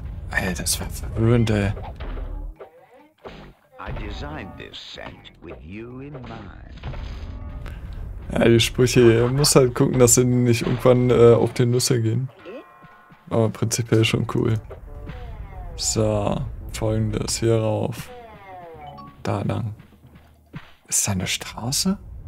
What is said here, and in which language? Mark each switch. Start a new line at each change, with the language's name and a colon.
German: Ey, das war verwirrend, ey.
English: I designed this scent with you in mind.
German: Ja, die Sprüche, er muss halt gucken, dass sie nicht irgendwann auf die Nüsse gehen. Aber prinzipiell schon cool. So, folgendes, hier rauf. Da lang. Ist da eine Straße?